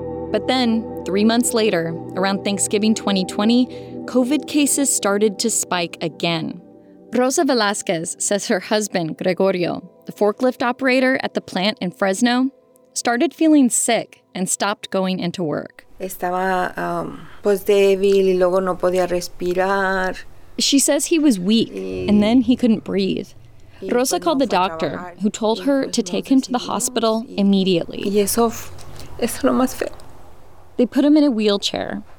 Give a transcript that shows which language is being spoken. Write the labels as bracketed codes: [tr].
[en] But then, 3 months later, around Thanksgiving 2020, COVID cases started to spike again. Rosa Velasquez says her husband, Gregorio, the forklift operator at the plant in Fresno, started feeling sick and stopped going into work. [es] Estaba pues débil y luego no podía respirar. [en] She says he was weak, and then he couldn't breathe. Rosa called the doctor, who told her to take him to the hospital immediately. [es] Y eso es lo más feo. [en] They put him in a wheelchair.